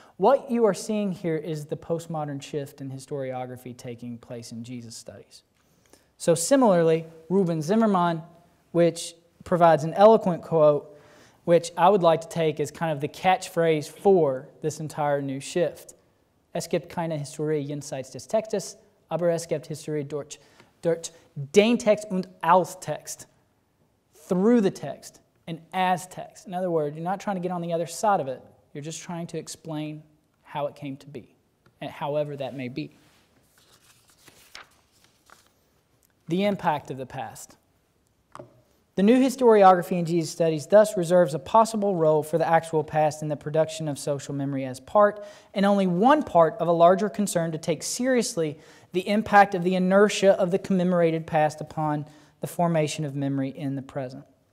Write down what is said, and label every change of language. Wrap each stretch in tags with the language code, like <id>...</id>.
<en>What you are seeing here is the postmodern shift in historiography taking place in Jesus studies. So similarly, Reuben Zimmerman, which provides an eloquent quote, which I would like to take as kind of the catchphrase for this entire new shift.</en> <de>Es gibt keine Historie jenseits des Textes, aber es gibt Historie durch den Text und als Text,</de> <en>through the text and as text. In other words, you're not trying to get on the other side of it. You're just trying to explain how it came to be, and however that may be. The impact of the past. The new historiography in Jesus studies thus reserves a possible role for the actual past in the production of social memory as part, and only one part of a larger concern to take seriously the impact of the inertia of the commemorated past upon the formation of memory in the present.</en>